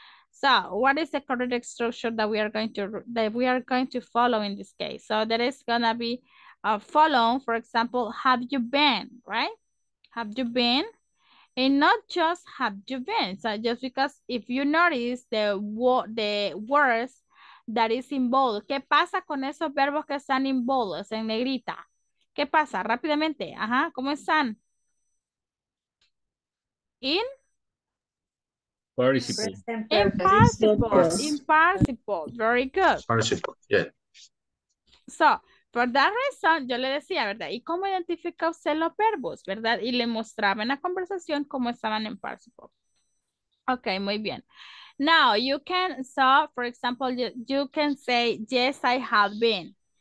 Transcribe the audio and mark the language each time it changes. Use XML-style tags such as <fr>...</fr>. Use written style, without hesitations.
<en>So, what is the correct structure that we are going to, follow in this case? So, that is going to be following, for example, have you been, right? Have you been? And not just have you been. So, just because if you notice the words that is in bold.</en> <es>¿Qué pasa con esos verbos que están in bold, en negrita? ¿Qué pasa? Rápidamente. Ajá. ¿Cómo están? In.</es> <en>Participle. Impossible. Very good. Participle, yeah.</en> <es>So, por esa razón, yo le decía, ¿verdad? ¿Y cómo identifica usted los verbos, verdad? Y le mostraba en la conversación cómo estaban en participle. Okay, muy bien.</es> <en>Now, you can, so, for example, you can say, yes, I have been.</en>